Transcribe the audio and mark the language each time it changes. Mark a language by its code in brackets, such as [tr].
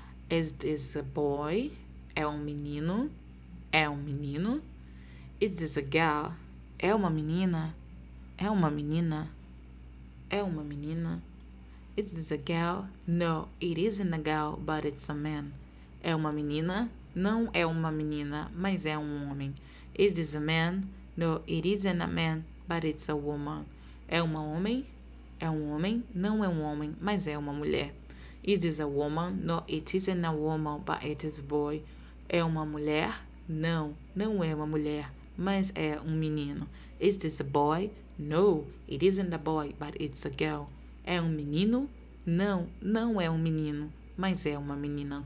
[en] Is this a boy? [pt] É um menino? É um menino? [en] Is this a girl? [pt] É uma menina? É uma menina? É uma menina? Is this a girl? [en] No, it isn't a girl, but it's a man. [pt] É uma menina? Não é uma menina, mas é um homem. [en] Is this a man? No, it isn't a man, but it's a woman. [pt] É uma homem? É um homem? Não é um homem, mas é uma mulher. [en] Is this a woman? No, it isn't a woman, but it is a boy. [pt] É uma mulher? Não, não é uma mulher, mas é um menino. [en] Is this a boy? No, it isn't a boy, but it's a girl. [pt] É um menino? Não, não é um menino, mas é uma menina.